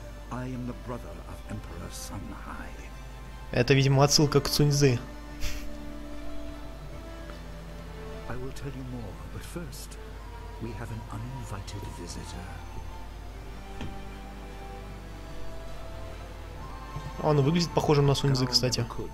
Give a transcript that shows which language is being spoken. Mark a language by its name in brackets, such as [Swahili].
[English] I am the brother of Emperor Sun Hai. [Russian] Это, видимо, отсылка к Цуньзы. [English] I will tell you more, but first we have an uninvited visitor. [Russian] Он выглядит похожим на Суньзы, кстати.